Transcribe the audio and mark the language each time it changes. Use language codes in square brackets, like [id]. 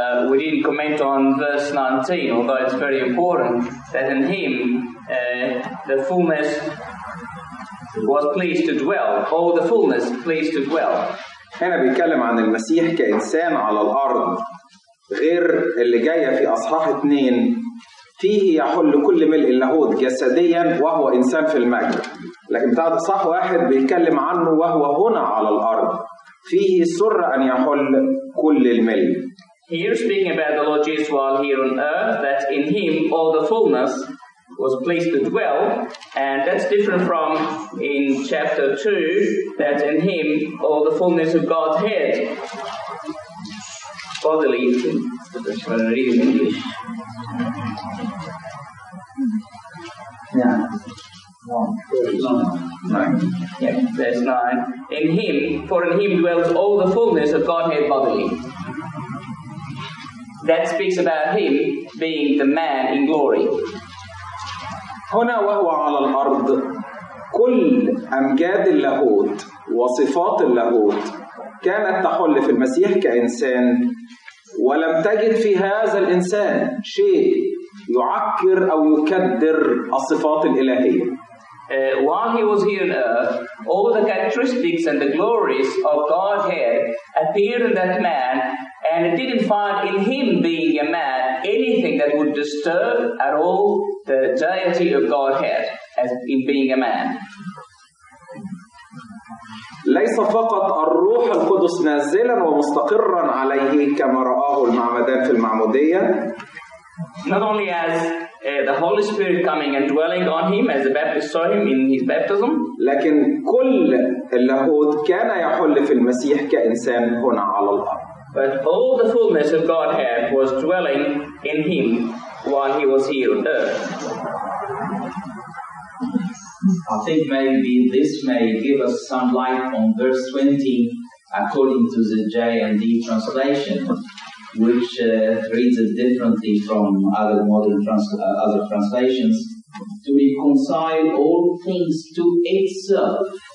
[en] We didn't comment on verse 19 although it's very important that in him the fullness was pleased to dwell all the fullness pleased to dwell. [ar] هنا بيتكلم عن المسيح كانسان على الارض غير اللي جاية في أصحاح 2 فيه يحل كل ملء اللاهوت جسديا وهو إنسان في المجد. لكن بتاع أصحاح 1 بيتكلم عنه وهو هنا على الأرض فيه سر أن يحل كل الملء. [en] Here speaking about the Lord Jesus while here on earth, that in him all the fullness was pleased to dwell, and that's different from in chapter 2, that in him all the fullness of Godhead bodily. I'm going to read in English. Yeah. Verse 9. In him, for in him dwells all the fullness of Godhead bodily. That speaks about him being the man in glory. [ar] هنا وهو على الأرض كل أمجاد اللاهوت وصفات اللاهوت كانت تحل في المسيح كإنسان، ولم تجد في هذا الإنسان شيء يعكر أو يكدر الصفات الإلهية. [en] While he was here on earth, all the characteristics and the glories of Godhead appeared in that man, and it didn't find in him being a man anything that would disturb at all the deity of Godhead as in being a man. [ar] ليس فقط الروح القدس نازلا ومستقرا عليه كما رآه المعمدان في المعمودية. [en] Not only as the Holy Spirit coming and dwelling on him as the Baptist saw him in his baptism, [ar] لكن كل اللاهوت كان يحل في المسيح كإنسان هنا على الأرض. [en] But all the fullness of Godhead was dwelling in him while he was here on earth. I think maybe this may give us some light on verse 20 according to the J&D translation, which reads it differently from other modern other translations, to reconcile all things to itself.